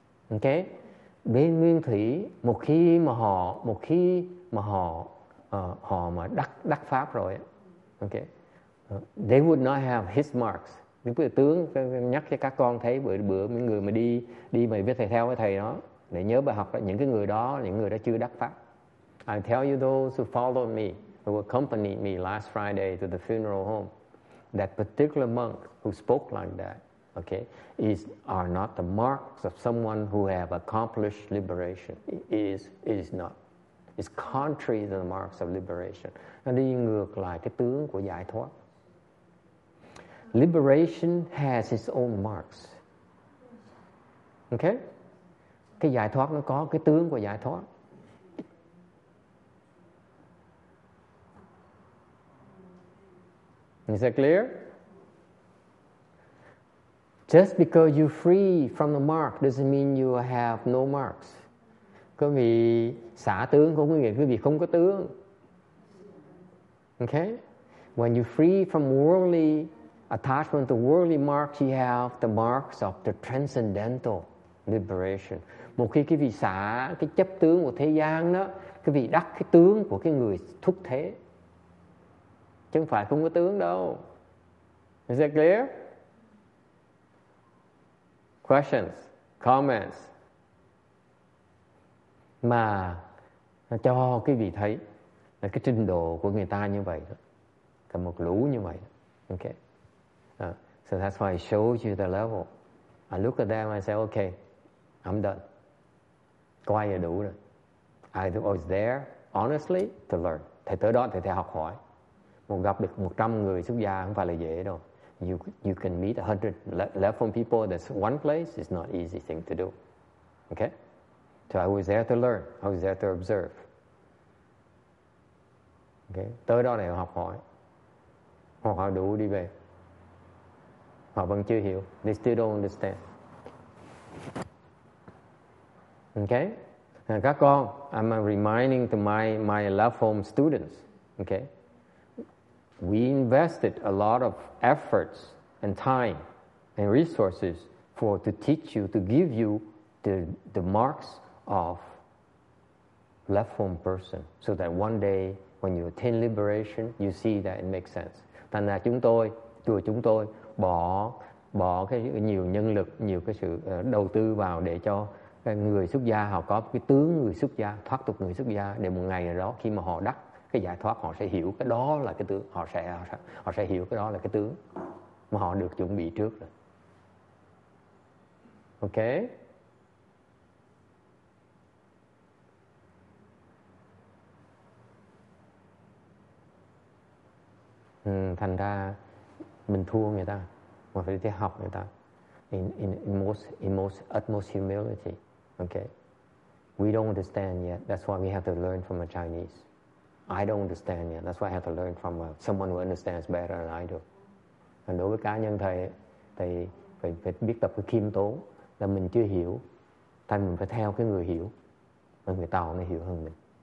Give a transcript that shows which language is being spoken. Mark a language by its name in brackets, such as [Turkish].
[Vietnamese] Ok, bên nguyên thủy một khi mà họ họ mà đắc pháp rồi, ok, [English] they would not have his marks. [Vietnamese] Những cái tướng nhắc cho các con thấy bữa những người mà đi mà với thầy theo với thầy đó để nhớ bài học đó, những cái người đó, những người đó chưa đắc pháp. [English] I tell you those who followed me, who accompanied me last Friday to the funeral home, that particular monk who spoke like that, okay, are not the marks of someone who have accomplished liberation. It is not. It's contrary to the marks of liberation. [Vietnamese] Nó đi ngược lại cái tướng của giải thoát. [English] Liberation has its own marks. [Vietnamese] Okay? Cái giải thoát nó có cái tướng của giải thoát. [English] Is that clear? Just because you're free from the mark doesn't mean you have no marks. [Vietnamese] Quý vị xả tướng cũng có nghĩa quý vị không có tướng. [English] Okay? When you're free from worldly attachment to worldly marks, you have the marks of the transcendental liberation. [Vietnamese] Một khi quý vị xả cái chấp tướng của thế gian đó, quý vị đắc cái tướng của cái người thúc thế. Chứ không phải không có tướng đâu. [English] Is that clear? Questions, comments. [Vietnamese] Mà nó cho quý vị thấy là cái trình độ của người ta như vậy đó. Cả một lũ như vậy đó. Okay. [English] So that's why I showed you the level. I look at them and I say, okay, I'm done. [Vietnamese] Quay là đủ rồi. [English] I was there, honestly, to learn. [Vietnamese] Thầy tới đó thì thầy học hỏi. Một gặp được 100 người xuất gia không phải là dễ đâu. [English] You can meet 100 left home people. That's one place. It's not easy thing to do. Okay? So I was there to learn. I was there to observe. [Vietnamese] Okay? Tới đó để học hỏi. Hoặc họ đủ đi về. Họ vẫn chưa hiểu. [English] They still don't understand. Okay? Now, [Vietnamese] các con, [English] I'm reminding to my left home students. Okay? We invested a lot of efforts and time and resources to teach you, to give you the marks of left home person, so that one day when you attain liberation, you see that it makes sense. [Vietnamese] Thành ra chúng tôi, chùa chúng tôi bỏ cái nhiều nhân lực, nhiều cái sự đầu tư vào để cho người xuất gia họ có cái tướng người xuất gia, thoát tục người xuất gia, để một ngày nào đó khi mà họ đắc cái giải thoát, họ sẽ hiểu cái đó là cái tướng, họ sẽ hiểu cái đó là cái tướng mà họ được chuẩn bị trước rồi. [English] Ok, [Vietnamese] thành ra mình thua người ta mà phải đi học người ta [English] in most utmost humility. Ok, we don't understand yet, that's why we have to learn from the Chinese. I don't understand yet. That's why I have to learn from someone who understands better than I do. [Vietnamese] Còn đối với cá nhân thầy, thầy phải, phải biết tập cái khiêm tốn là mình chưa hiểu, thành mình phải theo cái người hiểu, và người ta họ hiểu hơn mình.